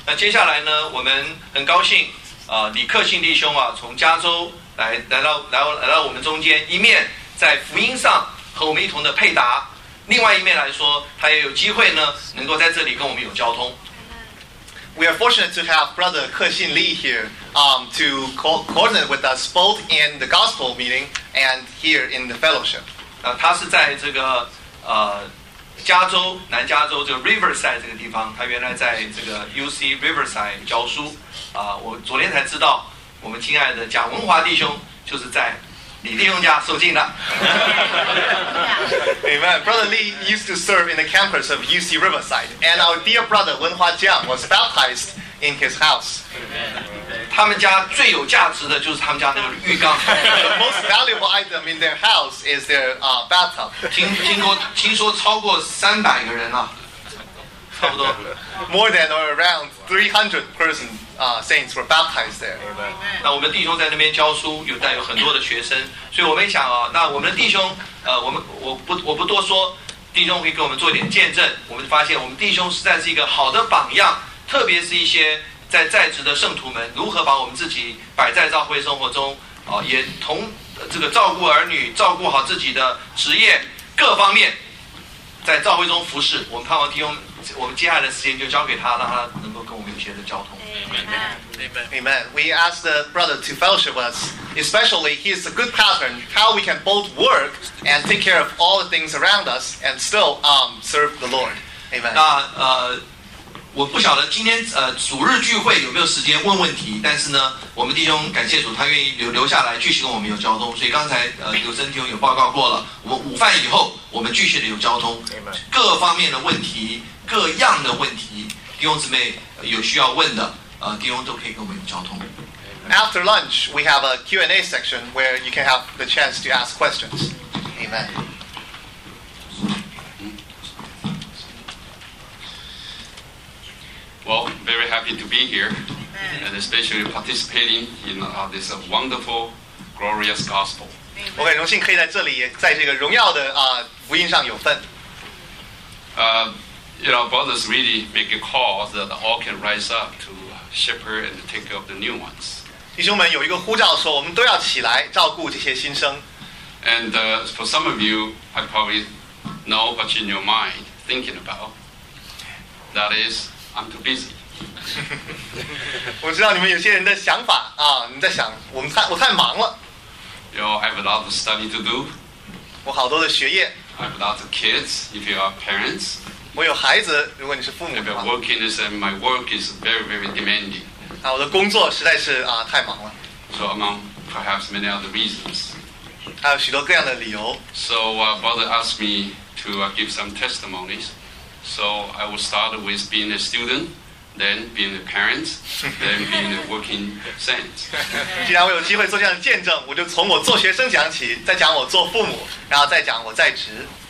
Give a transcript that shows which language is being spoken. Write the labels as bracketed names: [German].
[Chinese] 那接下来呢，我们很高兴李克信弟兄啊，从加州来到我们中间，一面在福音上和我们一同的配搭，另外一面来说，他也有机会呢，能够在这里跟我们有交通。 [English] We are fortunate to have Brother Ke Xin Lee here to coordinate with us both in the gospel meeting and here in the fellowship. [Chinese] 他是在这个加州南加州这个 Riverside 这个地方，他原来在这个 UC Riverside 教书。我昨天才知道，我们亲爱的贾文华弟兄就是在李弟兄家受浸的。 [English] Amen. Brother Lee used to serve in the campus of UC Riverside, and our dear brother Wen Hua Jiang was baptized in his house. Amen. The most valuable item in their house is their bathtub. [Chinese] 听说超过300个人了，差不多。 [English] More than or around 300 persons, saints were baptized there. [Chinese] 那我们弟兄在那边教书，有带有很多的学生，所以我们想啊，那我们的弟兄。我不多说，弟兄可以给我们做一点见证。我们发现我们弟兄实在是一个好的榜样，特别是一些在职的圣徒们，如何把我们自己摆在教会生活中，也同这个照顾儿女、照顾好自己的职业各方面，在教会中服侍。我们盼望弟兄，我们接下来的时间就交给他，让他能够跟我们有些的交通。 [English] Amen. Amen. We ask the brother to fellowship us, especially he is a good pattern how we can both work and take care of all the things around us and still serve the Lord. Amen. [Chinese] 那我不晓得今天主日聚会有没有时间问问题，但是呢，我们弟兄感谢主，他愿意留下来继续跟我们有交通。所以刚才刘森弟兄有报告过了，我们午饭以后我们继续的有交通。 [English] Amen. [Chinese] 各方面的问题，各样的问题，弟兄姊妹有需要问的。 [English] After lunch, we have a Q&A section where you can have the chance to ask questions. Amen. Well, very happy to be here, and especially participating in this wonderful, glorious gospel. [Chinese] 我很荣幸可以在这里，在这个荣耀的福音上有份。 [English] You know, brothers really make a call that all can rise up to shepherd and take care of the new ones. [Chinese] 弟兄们有一个呼召说，我们都要起来照顾这些新生。 [English] And for some of you, I probably know what's in your mind thinking about. That is, I'm too busy. [Chinese] 我知道你们有些人的想法啊，你在想我太忙了。 [English] You know, I have a lot of study to do. [Chinese] 我好多的学业。 [English] I have a lot of kids. If you are parents. [Chinese] 我有孩子，如果你是父母的话。 [English] Working is and my work is very, very demanding. [Chinese] 啊，我的工作实在是太忙了。 [English] So among perhaps many other reasons. [Chinese] 还有许多各样的理由。 [English] So brother asked me to give some testimonies. So I will start with being a student, then being a parent, then being a working saint. [Chinese] 既然我有机会做这样的见证，我就从我做学生讲起，再讲我做父母，然后再讲我在职。